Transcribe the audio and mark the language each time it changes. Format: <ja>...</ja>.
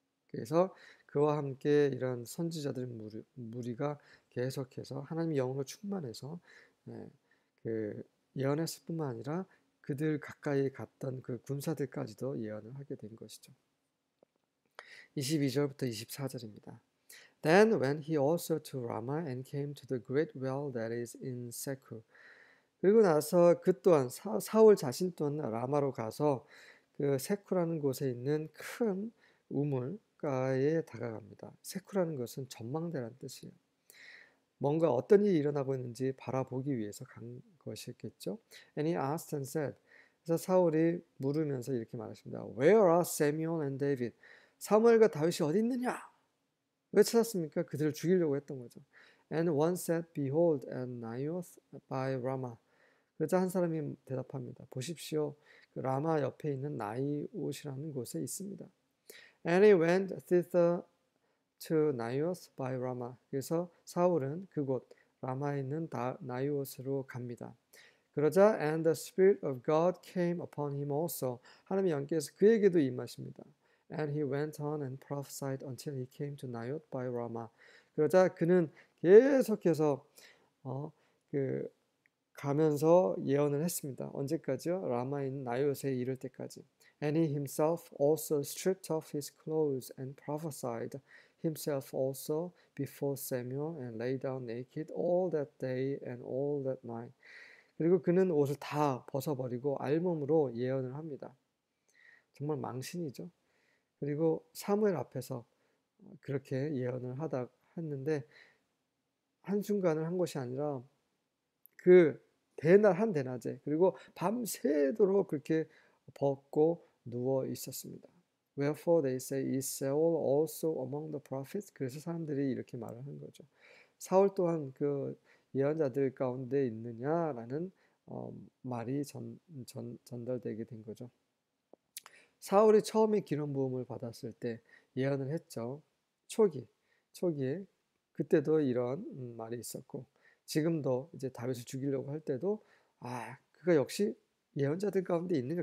<ko>그래서 그와 함께 이런 선지자들의 무리가 계속해서 하나님의 영으로 충만해서 그 예언했을 뿐만 아니라 그들 가까이 갔던 그 군사들까지도 예언을 하게 된 것이죠. 22절부터 24절입니다.</ko> <en>Then went he also to Ramah and came to the great well that is in Sekhu.</en> <ko>그리고 나서 그 또한 사울 자신 또한 라마로 가서 그 세쿠라는 곳에 있는 큰 우물가에 다가갑니다. 세쿠라는 것은 전망대란 뜻이에요. 뭔가 어떤 일이 일어나고 있는지 바라보기 위해서 간 것이겠죠.</ko> <en>And he asked and said.</en> <ko>그래서 사울이 물으면서 이렇게 말했습니다.</ko> <en>Where are Samuel and David?</en> <ko>사무엘과 다윗이 어디 있느냐? 왜 찾았습니까? 그들을 죽이려고 했던 거죠.</ko> <en>And one said, Behold, and Naioth by Rama.</en> <ko>그러자 한 사람이 대답합니다. 보십시오. 그 라마 옆에 있는 나이옷이라는 곳에 있습니다.</ko> <en>And he went thither to Naioth by Rama.</en> <ko>그래서 사울은 그곳 라마에 있는 나이옷으로 갑니다. 그러자</ko> <en>And the Spirit of God came upon him also.</en> <ko>하나님의 영께서 그에게도 임하십니다.</ko> <en>And he went on and prophesied until he came to Naioth by Rama.</en> <ko>그러자 그는 계속해서 가면서 예언을 했습니다. 언제까지요? 라마인 나이옷에 이를 때까지.</ko> <en>And he himself also stripped off his clothes and prophesied himself also before Samuel and lay down naked all that day and all that night.</en> <ko>그리고 그는 옷을 다 벗어버리고 알몸으로 예언을 합니다. 정말 망신이죠. 그리고 사무엘 앞에서 그렇게 예언을 하다 했는데 한순간을 한 것이 아니라 그 대낮 한 대낮에 그리고 밤새도록 그렇게 벗고 누워 있었습니다.</ko> <en>Wherefore they say, Is Saul also among the prophets?</en> <ko>그래서 사람들이 이렇게 말을 한 거죠. 사울 또한 그 예언자들 가운데 있느냐라는 말이 전달되게 된 거죠. 사울이 처음에 기름 부음을 받았을 때 예언을 했죠. 초기에 그때도 이런 말이 있었고 지금도 이제 다윗을 죽이려고 할 때도 아, 그가 역시 예언자들 가운데 있는가?</ko>